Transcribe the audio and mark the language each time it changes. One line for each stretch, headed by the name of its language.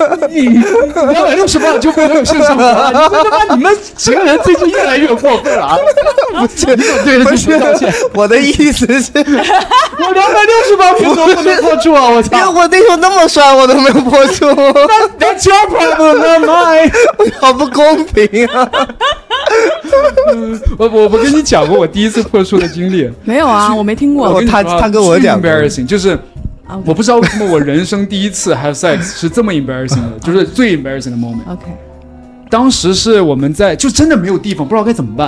Chinese: 你260磅就没有性生活了你们几个人最近越来越过分了、啊、不是你对着这些道歉我的意思是我260磅不能破处啊我操我那天那么帅我都没有破处
English: That's your problem not mine
Chinese: 好不公平啊我跟你讲过我第一次破处的经历没有啊、就是、我没听过他跟我讲过就是
English: Okay.
Chinese: 我不知道为什么我人生第一次
English: have sex
Chinese: 是这么 embarrassing 的就是最 embarrassing 的 moment、
English: okay.
Chinese: 当时是我们在就真的没有地方不知道该怎么办